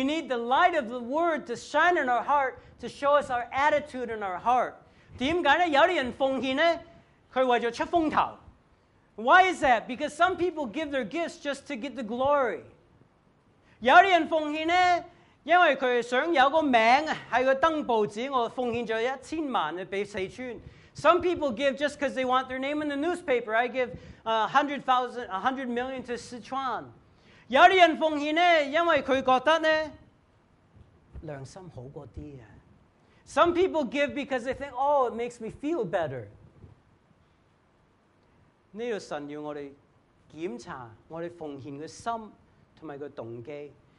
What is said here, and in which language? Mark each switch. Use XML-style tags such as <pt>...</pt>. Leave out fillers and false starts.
<en>need the light of the Word to shine in our heart to show us our attitude in our heart.</en> <zh>为什么呢？有些人奉献呢，他为了出风头。Why</zh> <en>is that? Because some people give their gifts just to get the glory.</en> <zh>有些人奉献呢，因为他想有个名在个灯报纸，我奉献了1,000,000给四川。Some</zh> <en>people give just because they want their name in the newspaper. I give $100 million to Sichuan.</en> <zh>有些人奉献呢，因为他觉得呢，良心好过啲啊。</zh> <en>Some people give because they think, oh, it makes me feel better.</en> <zh>这个神要我们检查我们奉献的心和动机。</zh>